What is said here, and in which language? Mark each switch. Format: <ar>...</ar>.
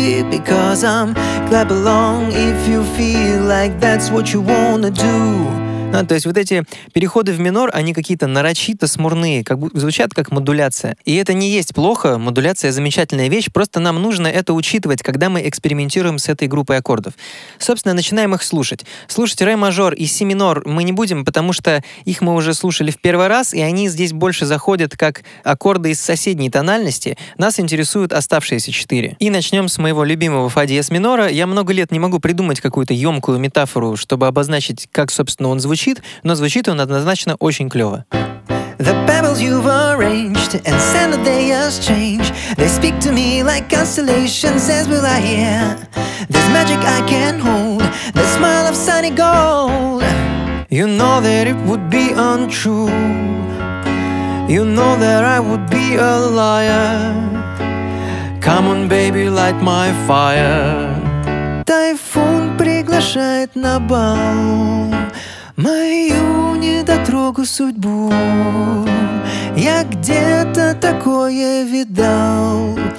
<en>Because I'm clap along if you feel like that's what you wanna do.</en> <ru>Ну, то есть вот эти переходы в минор, они какие-то нарочито смурные, как бы звучат как модуляция. И это не есть плохо, модуляция замечательная вещь, просто нам нужно это учитывать, когда мы экспериментируем с этой группой аккордов. Собственно, начинаем их слушать. Слушать ре-мажор и си-минор мы не будем, потому что их мы уже слушали в первый раз, и они здесь больше заходят как аккорды из соседней тональности. Нас интересуют оставшиеся четыре. И начнем с моего любимого фа-диез минора. Я много лет не могу придумать какую-то емкую метафору, чтобы обозначить, как, собственно, он звучит, но звучит он однозначно очень клёво.</ru> <en>The pebbles you've arranged and sand that they have changed. They speak to me like constellations as well I hear. There's magic I can hold, the smile of sunny gold. You know that it would be untrue. You know that I would be a liar. Come on, baby, light my fire.</en> <ru>Тайфун приглашает на бал. Мою недотрогу судьбу я где-то такое видал.</ru>